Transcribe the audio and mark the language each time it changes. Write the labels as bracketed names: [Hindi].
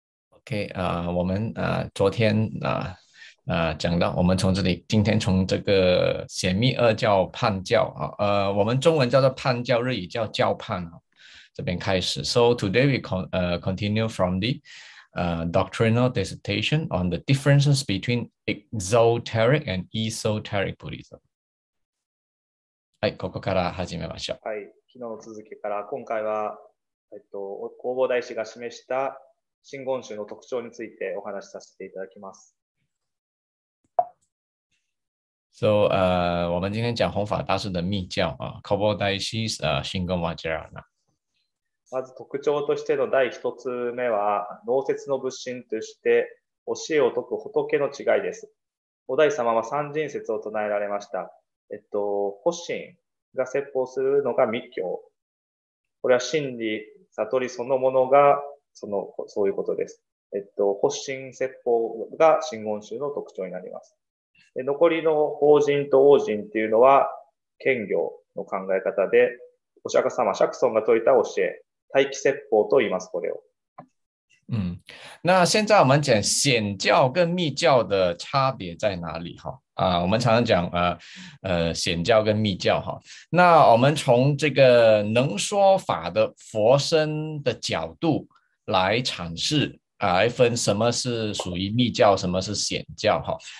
[Chinese] OK，我们昨天讲到，我们从这里今天从这个显密二教判教我们中文叫做判教，日语叫教判这边开始。 [English] So today we continue from the doctrinal dissertation on the differences between exoteric and esoteric Buddhism。 [Japanese] はい、ここから始めましょう。はい、昨日の続きから今回は、弘法大師が示した真言宗の特徴についてお話しさせていただきます。 [Chinese] So, 我们今天讲弘法大师的密教啊，高波大师新根瓦吉尔那。 [Japanese] まず特徴としての第一つ目は、能説の仏心として教えを説く仏の違いです。お大師様は三人説を唱えられました。発心が説法するのが密教。これは真理、悟りそのものがそういうことです。発心説法が真言宗の特徴になります。で、残りの法人と応人っていうのは、兼業の考え方で、お釈迦様、釈尊が説いた教え、待機説法と言います、これを。 [Chinese] 那现在我们讲显教跟密教的差别在哪里哈？我们常常讲显教跟密教哈。那我们从这个能说法的佛身的角度来阐释，来分什么是属于密教，什么是显教哈。